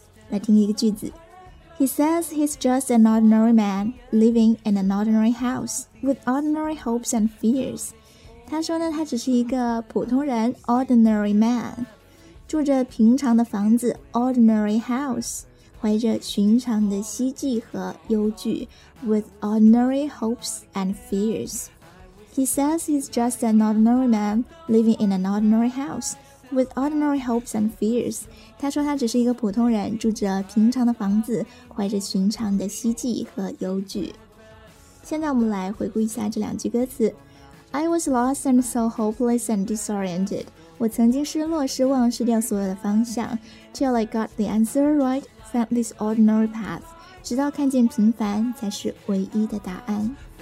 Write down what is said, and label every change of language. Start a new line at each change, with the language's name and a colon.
Chinese: 来听一个句子，
English: He says he's just an ordinary man living in an ordinary house with ordinary hopes and fears。
Chinese: 他说呢，他只是一个普通人，
English: Ordinary man，
Chinese: 住着平常的房子 ,
English: ordinary house,
Chinese: 怀着寻常的希冀和忧惧 ,
English: with ordinary hopes and fears. He says he's just an ordinary man living in an ordinary house, with ordinary hopes and fears.
Chinese: 他说他只是一个普通人住着平常的房子怀着寻常的希冀和忧惧。现在我们来回顾一下这两句歌词。
English: I was lost and so hopeless and disoriented.
Chinese: 我曾经失落失望失掉所有的方向
English: Till I got the answer right Found this ordinary path
Chinese: 直到看见平凡才是唯一的答案。